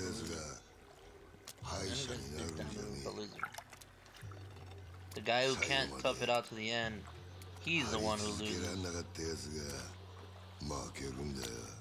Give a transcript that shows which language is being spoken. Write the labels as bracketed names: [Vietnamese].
[Japanese] 負けたやつが敗者になるんじゃねえ。 [English] The guy who can't tough it out to the end, he's the one who loses. [Japanese] 負けられなかったやつが負けるんだよ。